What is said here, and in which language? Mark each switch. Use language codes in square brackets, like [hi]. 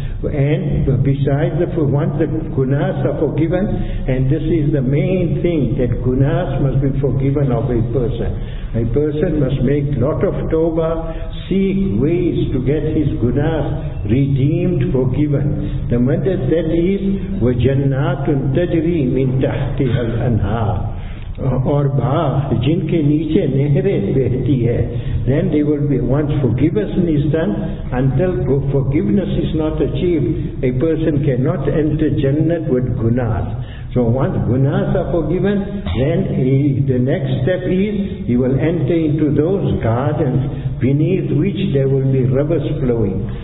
[en] And besides, once the gunas are forgiven, and this is the main thing, that gunas must be forgiven of a person. A person must make lot of tawbah, seek ways to get his gunas redeemed, forgiven. The matter that is, [ar] وَجَنَّاتٌ تَجْرِي مِنْ تَحْتِهَا الْأَنْهَارِ. [ur] Or bath, jinke niche nehre behti hai. [en] Then they will be, once forgiveness is done, until forgiveness is not achieved, a person cannot enter Jannat with gunas. So once gunas are forgiven, then the next step is, he will enter into those gardens beneath which there will be rivers flowing.